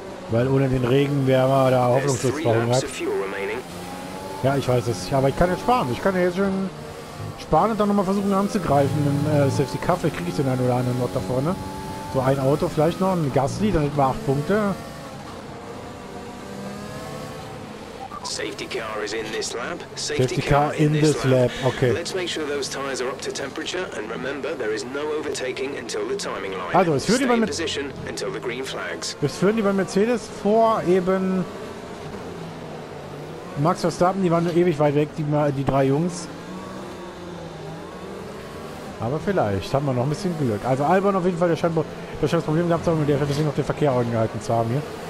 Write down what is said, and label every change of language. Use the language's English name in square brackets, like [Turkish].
[German] Weil ohne den Regen wäre man da hoffnungslos verhungert. Ja, ich weiß es. Aber ich kann jetzt sparen. Ich kann ja jetzt schon sparen und dann nochmal versuchen anzugreifen. Im Safety Car, vielleicht kriege ich den einen oder anderen noch da vorne. So ein Auto vielleicht noch. Ein Gasly, dann hätten wir 8 Punkte. [English] Safety car is in this lab. Safety car in this lab. Okay. Let's make sure those tires are up to temperature and remember there is no overtaking until the timing line. [German] Also, es führen die bei Mercedes. Es führen die bei Mercedes vor eben Max Verstappen, die waren nur ewig weit weg, die drei Jungs. Aber vielleicht haben wir noch ein bisschen Glück. Also Albon auf jeden Fall der scheinbar das Problem gehabt zu haben, mit der deswegen noch den Verkehr Augen gehalten zu haben hier.